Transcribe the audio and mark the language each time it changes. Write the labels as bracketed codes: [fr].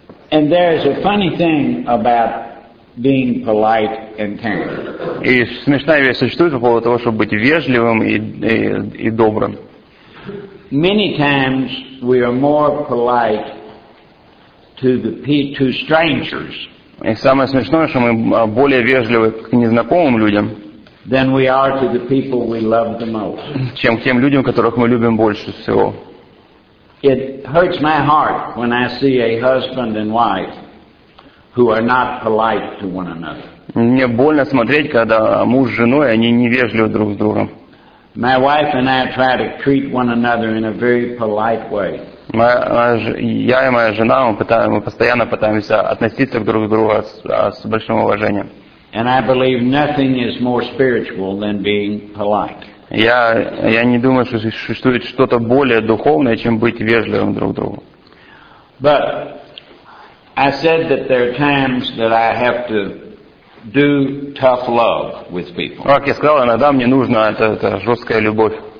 [en] And there is a funny thing about being polite and kind. [ru] И смешная вещь существует по поводу того, чтобы быть вежливым и добрым. [en] Many times we are more polite to strangers. [ru] И самое смешное, что мы более вежливы к незнакомым людям, [en] than we are to the people we love the most. [ru] Чем к тем людям, которых мы любим больше всего. [en] It hurts my heart when I see a husband and wife who are not polite to one another. [ru] Мне больно смотреть, когда муж с женой, они невежливы друг с другом. [en] My wife and I try to treat one another in a very polite way. [ru] Я и моя жена, мы постоянно пытаемся относиться друг к другу с большим уважением. [en] And I believe nothing is more spiritual than being polite. [ru] Я не думаю, что существует что-то более духовное, чем быть вежливым друг к другу. [en] But I said that there are times that I have to do tough love with people. [ru] Как я сказал, иногда мне нужна эта жесткая любовь.